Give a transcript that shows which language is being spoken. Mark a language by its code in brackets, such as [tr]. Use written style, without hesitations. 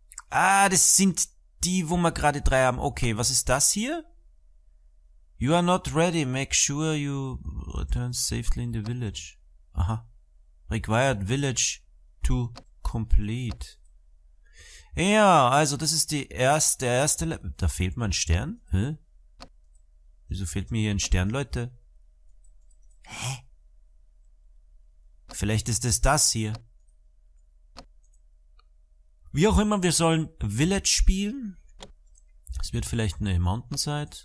[de] Ah, das sind die, wo wir gerade drei haben. Okay, was ist das hier? [en] You are not ready. Make sure you return safely in the village. Aha. Required village to complete. [de] Ja, also das ist die erste, der erste Level. Da fehlt mir ein Stern. Hä? Wieso fehlt mir hier ein Stern, Leute? Vielleicht ist es das hier. Wie auch immer, wir sollen Village spielen. Es wird vielleicht eine Mountainside.